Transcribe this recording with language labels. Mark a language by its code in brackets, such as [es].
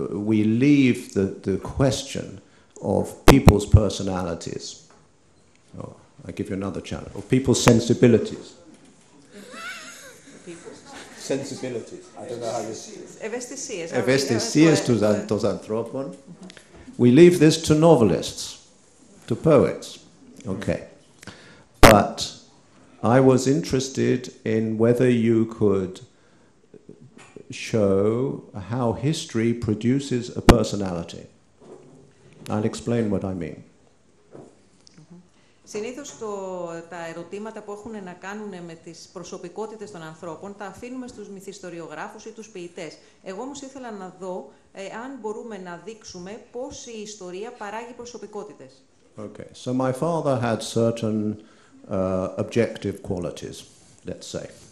[en] We leave the question of people's personalities. Oh, I give you another challenge. Of people's sensibilities. Sensibilities. I don't know how you see it. [el] Ευαισθησίες τους ανθρώπων. [en] We leave this to novelists, to poets. Okay. But I was interested in whether you could show how history produces a personality. I'll explain what I mean. [el] Συνήθως τα ερωτήματα που έχουν να κάνουν με τις προσωπικότητες των ανθρώπων τα αφήνουμε στους μυθιστοριογράφους ή τους ποιητές. Εγώ όμως ήθελα να δω αν μπορούμε να δείξουμε πώς η ιστορία παράγει προσωπικότητες. [en] Okay. So my father had certain objective qualities, let's say.